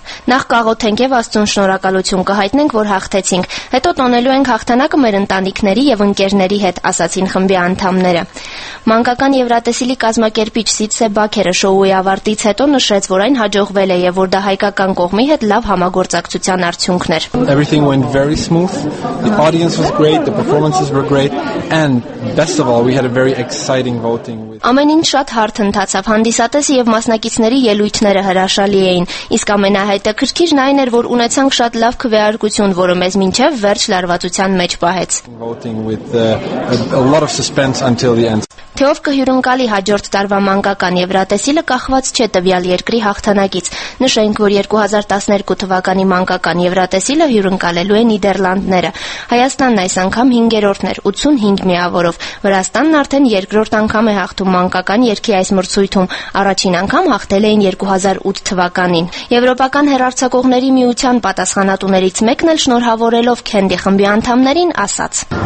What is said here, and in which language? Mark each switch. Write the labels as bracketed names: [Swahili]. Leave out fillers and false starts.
[Armenian] Նախ կաղոթենք եւ Աստծուն շնորհակալություն կհայտնենք, որ հաղթեցինք։ Հետո տոնելու ենք հաղթանակը մեր ընտանիքների եւ ընկերների հետ, ասացին խմբի անդամները։ Մանկական Եվրատեսիլի կազմակերպիչ Սիցե Բաքերը շոուի ավարտից հետո նշեց, որ այն հաջողվել է եւ որ դա հայկական կողմի հետ լավ համագործակցության արդյունքն էր։ [English] Everything went very smooth. The audience was great, the performances were great, and best of all, we had a very exciting voting with [Armenian] Ամեն ինչ շատ հարթ ընթացավ, հանդիսատեսի եւ մասնակիցների ելույթները հրաշալի էին, իսկ ամենահետաքրքիրն այն էր, որ ունեցանք շատ լավ քվեարկություն, որը մեզ մինչև վերջ լարվածության մեջ պահեց։ Թեով կհյուրընկալի հաջորդ տարվա մանկական Եվրատեսիլը կախված չէ տվյալ երկրի հաղթանակից։ Նշենք, որ 2012 թվականի մանկական Եվրատեսիլը հյուրընկալելու է Նիդերլանդները։ Հայաստանն այս անգամ 5-րդն էր 85 միավորով։ Վրաստանն արդեն երկրորդ անգամ է հաղթում մանկական երկրի այս մրցույթում։ Առաջին անգամ հաղթել էին 2008 թվականին։ Եվրոպական հեռարձակողների միության պատասխանատուներից մեկն էլ շնորհավորելով Քենդի խմբի անդամներին ասաց.